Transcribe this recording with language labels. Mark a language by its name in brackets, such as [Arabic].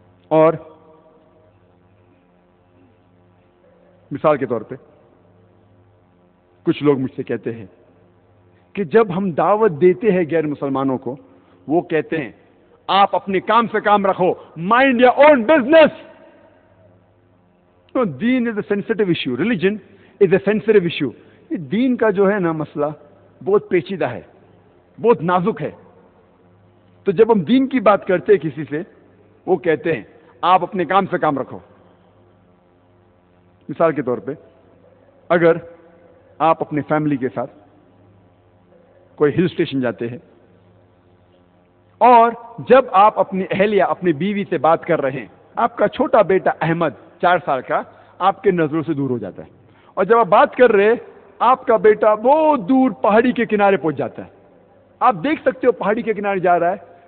[Urdu] اور مثال کے طور پہ کچھ لوگ مجھ سے کہتے ہیں کہ جب ہم دعوت دیتے ہیں غیر مسلمانوں کو, وہ کہتے ہیں آپ اپنے کام سے کام رکھو, [English] Mind your own business. دین is a sensitive issue, religion is a sensitive issue. [Urdu] یہ دین کا جو ہے نا مسئلہ بہت پیچیدہ ہے, بہت نازک ہے. تو جب ہم دین کی بات کرتے ہیں کسی سے, وہ کہتے ہیں آپ اپنے کام سے کام رکھو. مثال کے طور پہ اگر آپ اپنے فیملی کے ساتھ کوئی ہل اسٹیشن جاتے ہیں, اور جب آپ اپنی اہلیہ اپنی بیوی سے بات کر رہے ہیں, آپ کا چھوٹا بیٹا احمد 4 سال کا آپ کے نظروں سے دور ہو جاتا ہے, اور جب آپ بات کر رہے ہیں آپ کا بیٹا بہت دور پہاڑی کے کنارے پہنچ جاتا ہے, آپ دیکھ سکتے ہو پہاڑی کے کنارے جا رہا ہے.